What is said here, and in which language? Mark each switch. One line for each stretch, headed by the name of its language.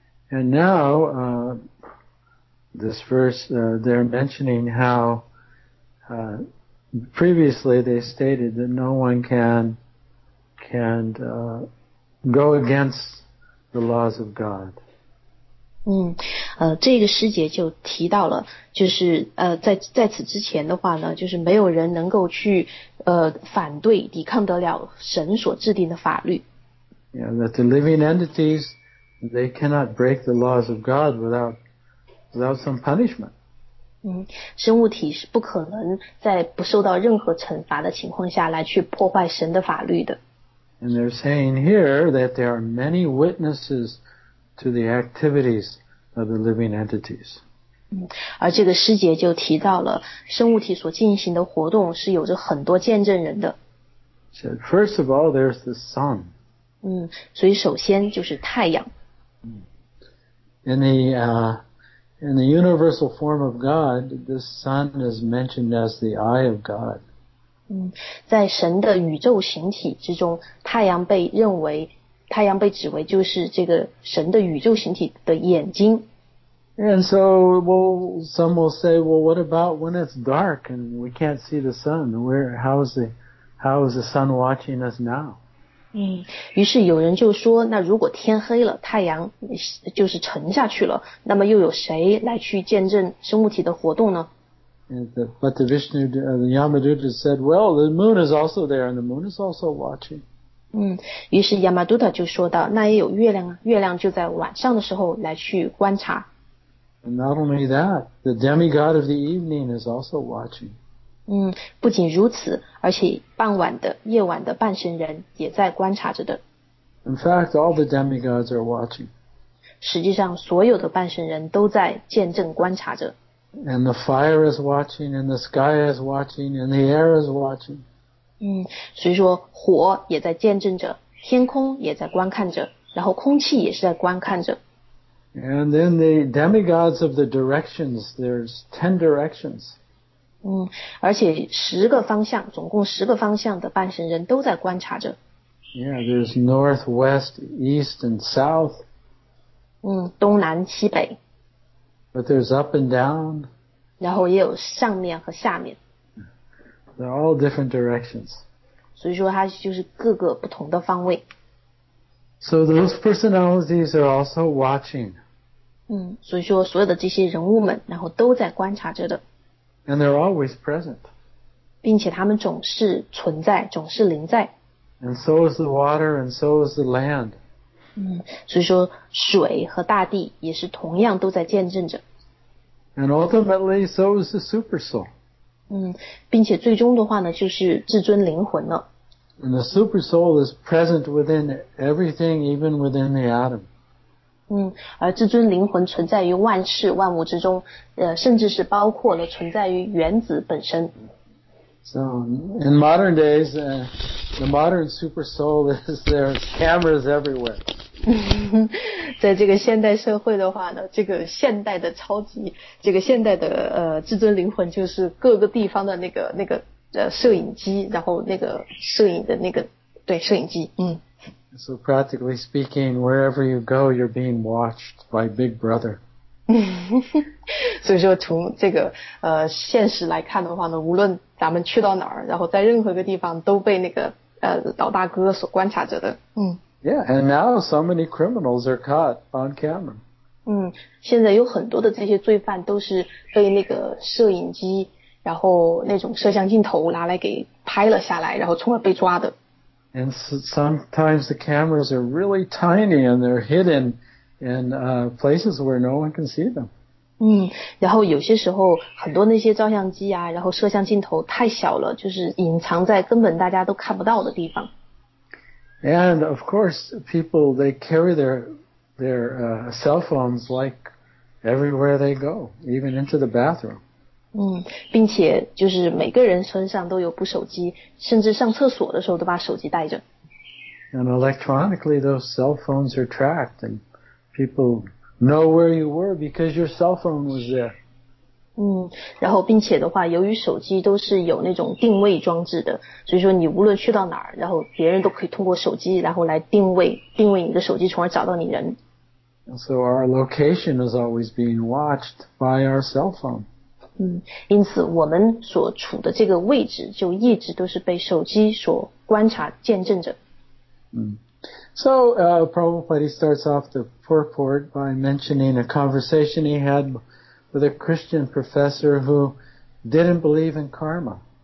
English: And now, this verse, they're mentioning how, previously they stated that no one can go against the laws of God.
Chinese: 这个诗节就提到了，就是在此之前的话呢，就是没有人能够去反对抵抗得了神所制定的法律。
English: Yeah, that the living entities they cannot break the laws of God without some punishment.
Chinese: 生物体是不可能在不受到任何惩罚的情况下来去破坏神的法律的。
English: And they're saying here that there are many witnesses. To the activities of the living entities.
Chinese: 而这个诗节就提到了生物体所进行的活动是有着很多见证人的。
English: So first of all, there's the sun.
Chinese: 所以首先就是太阳。
English: In the universal form of God, the sun is mentioned as the eye of God.
Chinese: 在神的宇宙形体之中，太阳被指为就是这个神的宇宙形体的眼睛。
English: And so, well, some will say, well, what about when it's dark and we can't see the sun? How is the sun watching us now?
Chinese: 于是有人就说，那如果天黑了，太阳就是沉下去了，那么又有谁来去见证生物体的活动呢？
English: But the Vishnu, the Yamadutta said, well, the moon is also there and the moon is also watching.
Chinese: 于是 Yamadutta 就说到，那也有月亮啊，月亮就在晚上的时候来去观察。
English: And not only that, the demigod of the evening is also watching.
Chinese: 不仅如此，而且夜晚的半神人也在观察着的。
English: In fact, all the demigods are watching.
Chinese: 实际上，所有的半神人都在见证观察着。
English: And the fire is watching, and the sky is watching, and the air is watching.
Chinese: 所以说火也在见证着，天空也在观看着，然后空气也是在观看着。
English: And then the demigods of the directions, there's 10 directions.
Chinese: 而且十个方向，总共十个方向的半神人都在观察着。
English: Yeah, there's north, west, east, and south.
Chinese: 东南西北。
English: But there's up and down.
Chinese: 然后也有上面和下面。
English: They're all different directions.
Chinese: 所以说它就是各个不同的方位。
English: So those personalities are also watching.
Chinese: 所以说所有的这些人物们然后都在观察着的。
English: And they're always present.
Chinese: 并且他们总是存在，总是临在。
English: And so is the water and so is the land.
Chinese: 所以说水和大地也是同样都在见证着。
English: And ultimately, so is the super soul.
Chinese: 并且最终的话呢，就是至尊灵魂了。
English: And the super soul is present within everything, even within the atom.
Chinese: 而至尊灵魂存在于万事万物之中，甚至是包括了存在于原子本身。
English: So, in modern days, the modern super soul is there's cameras everywhere.
Chinese: 在这个现代社会的话呢，这个现代的超级，这个现代的至尊灵魂就是各个地方的那个摄影机，然后那个摄影的那个，对，摄影机。
English: So practically speaking, wherever you go, you're being watched by Big Brother.
Chinese: 所以说从这个现实来看的话呢，无论咱们去到哪儿，然后在任何一个地方都被那个老大哥所观察着的。
English: Yeah, and now so many criminals are caught on camera.
Chinese: 现在有很多的这些罪犯都是被那个摄影机，然后那种摄像镜头拿来给拍了下来，然后从而被抓的。
English: And sometimes the cameras are really tiny and they're hidden. And places where no one can see them.
Chinese: 然后有些时候很多那些照相机啊，然后摄像镜头太小了，就是隐藏在根本大家都看不到的地方。
English: And of course, people they carry their cell phones like everywhere they go, even into the bathroom.
Chinese: 并且就是每个人身上都有部手机，甚至上厕所的时候都把手机带着。
English: And electronically, those cell phones are tracked and. People know where you were because your cell phone was there.
Chinese: 然后并且的话，由于手机都是有那种定位装置的，所以说你无论去到哪儿，然后别人都可以通过手机，然后来定位你的手机，从而找到你人。
English: So our location is always being watched by our cell phone.
Chinese: 因此我们所处的这个位置就一直都是被手机所观察见证着。
English: So Prabhupada starts off the purport by mentioning a conversation he had with a Christian professor who didn't believe in karma.